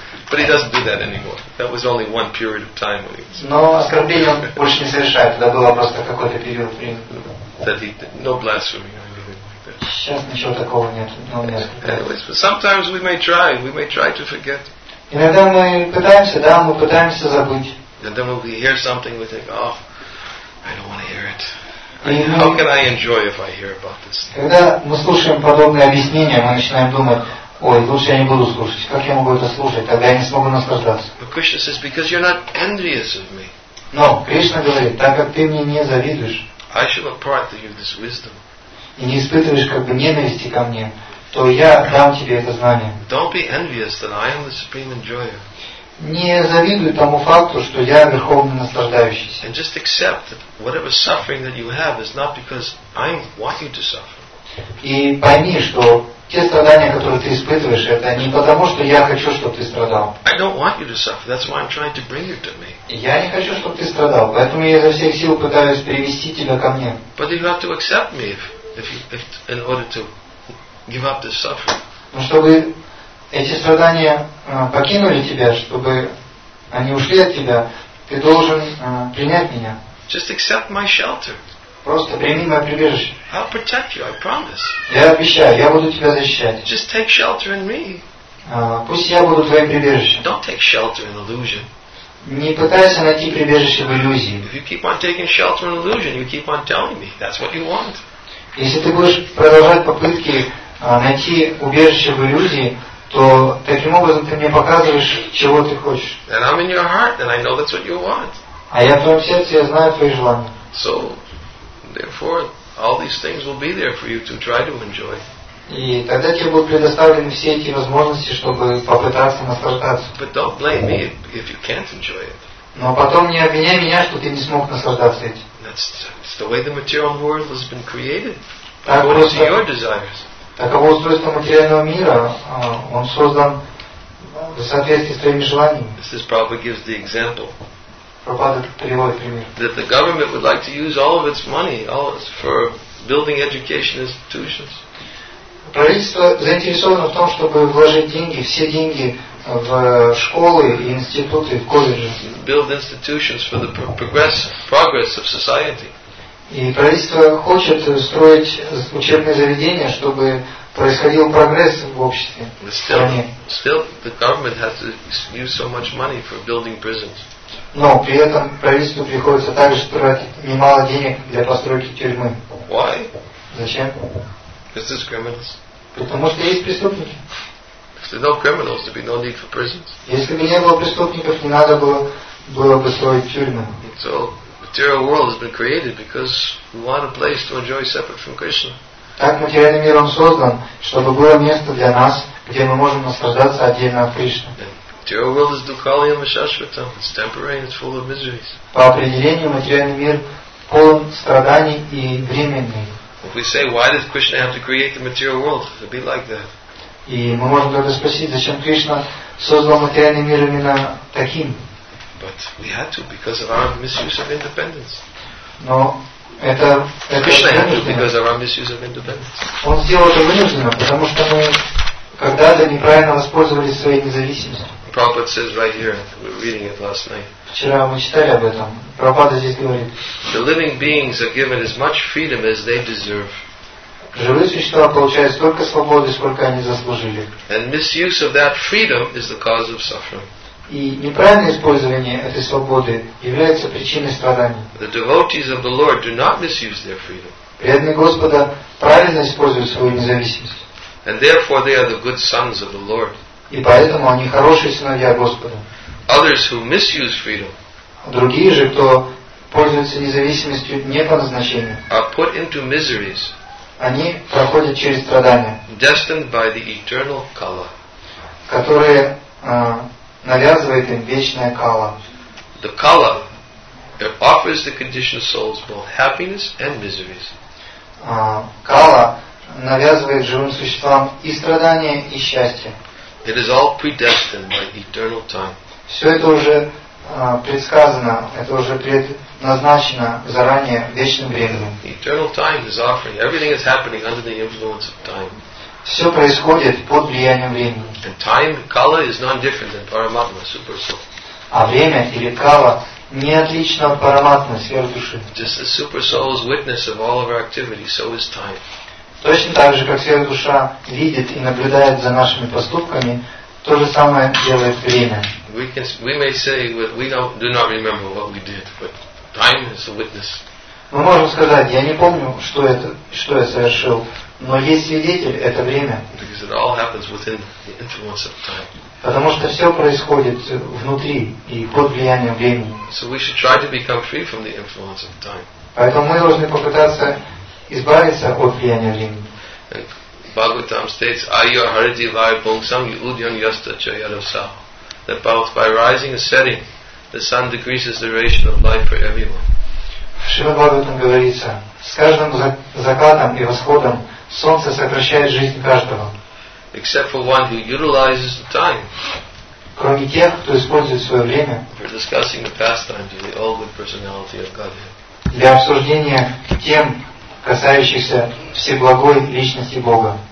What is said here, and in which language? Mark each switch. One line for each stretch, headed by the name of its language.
English: But he doesn't do that anymore. That was only one period of time when he was.
Russian: Но оскорбление он больше не совершает. Это было просто какой-то период времени.
English: That he did. No blasphemy or anything like that.
Russian: Сейчас ничего такого нет. Но
English: anyways, but sometimes we may try. We may try to forget.
Russian: Иногда мы пытаемся, да, мы пытаемся забыть.
English: And then when we hear something, we think, oh, I don't want to hear it. How can I enjoy if I hear about this?
Russian: Когда мы слушаем подобные объяснения, мы начинаем думать, ой, лучше я не буду слушать. Как я могу это слушать? Тогда я не смогу наслаждаться.
English: But Krishna says, because you're not envious of me. No,
Russian: Krishna говорит, так как ты мне не завидуешь.
English: I shall impart to you this wisdom.
Russian: И не испытываешь как бы ненависти ко мне, то я дам тебе это знание.
English: Don't be envious that I am the supreme enjoyer.
Russian: Не завидуй тому факту, что я верховный наслаждающийся.
English: And just accept that whatever suffering that you have is not because I want you to suffer.
Russian: И пойми, что те страдания, которые ты испытываешь, это не потому, что я хочу, чтобы ты страдал.
English: I don't want you to suffer. That's why I'm trying to bring you to me.
Russian: Я не хочу, чтобы ты страдал, поэтому я изо всех сил пытаюсь перевести тебя ко мне.
English: But you have to accept me if in order to give up this suffering.
Russian: Но чтобы эти страдания покинули тебя, чтобы они ушли от тебя, ты должен принять меня.
English: Just accept my shelter.
Russian: Просто прими мое прибежище.
English: I'll protect you, I promise.
Russian: Я обещаю, я буду тебя защищать.
English: Just take shelter in me.
Russian: Пусть я буду твоим прибежищем.
English: Don't take shelter in illusion.
Russian: Не пытайся найти прибежище в иллюзии.
English: If you keep on taking shelter in illusion, you keep on telling me that's what you want.
Russian: Если ты будешь продолжать попытки найти убежище в иллюзии, то таким образом ты мне показываешь, чего ты хочешь.
English: And I'm in your heart, and I know that's what you want.
Russian: А я в твоем сердце, я знаю твои желания.
English: So, therefore, all these things will be there for you to try to enjoy.
Russian: И тогда тебе будут предоставлены все эти возможности, чтобы попытаться наслаждаться.
English: But don't blame me if you can't enjoy it.
Russian: Но потом не обвиняй меня, что ты не смог наслаждаться этим.
English: That's the way the material world has been created. According to your desires.
Russian: Таково устройство материального мира. Он создан в соответствии с твоими желаниями.
English: This Prabhupada gives the example.
Russian: Прабхупада приводит пример.
English: That the government would like to use all of its money for building education institutions.
Russian: Правительство заинтересовано в том, чтобы вложить деньги, все деньги в школы, институты, в колледжи.
English: Build institutions for the progress of society.
Russian: И правительство хочет строить учебные заведения, чтобы происходил прогресс в обществе.
English: Still, the government has to use so much money for building prisons.
Russian: Но при этом правительству приходится также тратить немало денег для постройки тюрьмы.
English: Why?
Russian: Зачем?
English: Because there's criminals.
Russian: Потому что есть преступники.
English: If there are no criminals, there'd be no need for prisons.
Russian: Если бы не было преступников, не надо было бы строить тюрьмы.
English: So, material world has been created because we want a place to enjoy separate from Krishna.
Russian: Так материальный мир он создан, чтобы было место для нас, где мы можем наслаждаться отдельно от Кришны.
English: Material world is dukkhaliyam shashvatam. It's temporary and it's full of miseries.
Russian: По определению материальный мир полон страданий и временный.
English: If we say, why did Krishna have to create the material world? It'd be like that.
Russian: И мы можем тогда спросить, зачем Кришна создал материальный мир именно таким?
English: But we had to because of our misuse of independence.
Russian: Но это
English: Krishna had to because of our misuse of independence.
Russian: Он сделал это вынужденно, потому что мы когда-то неправильно воспользовались своей независимостью.
English: Prabhupada says right here, we were reading it last night.
Russian: Вчера мы читали об этом. Прабхупада здесь говорит.
English: The living beings are given as much freedom as they deserve.
Russian: Живые существа получают столько свободы, сколько они заслужили.
English: And misuse of that freedom is the cause of suffering.
Russian: И неправильное использование этой свободы является причиной страданий.
English: The devotees of the Lord do not misuse their freedom.
Russian: Преданные Господа правильно используют свою независимость.
English: And therefore they are the good sons of the Lord.
Russian: И поэтому они хорошие сыновья Господа.
English: Others who misuse freedom.
Russian: Другие же, кто пользуются независимостью не по назначению.
English: Are put into miseries.
Russian: Они проходят через страдания.
English: Destined by the eternal kala.
Russian: Которые навязывает им вечная кала.
English: The kala offers the conditioned souls both happiness and miseries.
Russian: Кала навязывает живым существам и страдания, и счастье.
English: It is all predestined by eternal time.
Russian: Все это уже предсказано, это уже предназначено заранее вечным временем.
English: Eternal time is offering. Everything is happening under the influence of time.
Russian: Все происходит под влиянием времени.
English: And time, kala, is none different than Paramatma, super soul.
Russian: А время или кала не отлично от Параматмы, сверхдуши.
English: Just the super soul is witness of all of our activity, so is time.
Russian: Точно так же, как сверхдуша видит и наблюдает за нашими поступками, то же самое делает время.
English: We may say we do not remember what we did, but time is a witness.
Russian: Мы можем сказать, я не помню, что я совершил, но есть свидетель, это время.
English: Because it all happens within the influence of time.
Russian: Потому что все происходит внутри и под влиянием времени.
English: So we should try to become free from the influence of time.
Russian: Поэтому мы должны попытаться избавиться от влияния Рим.
English: Bhagavatam states, Ayur Haridi Lai Bungsam Yudyan Yasta Chayarasa. That both by rising and setting, the sun decreases the duration of life for everyone.
Russian: В Шрима Бхагаватам говорится, с каждым закатом и восходом солнце сокращает жизнь каждого.
English: Except for one who utilizes the time.
Russian: Кроме тех, кто использует свое время.
English: We're discussing the pastimes of the all good personality of Godhead.
Russian: Для обсуждения тем, касающихся всеблагой личности Бога.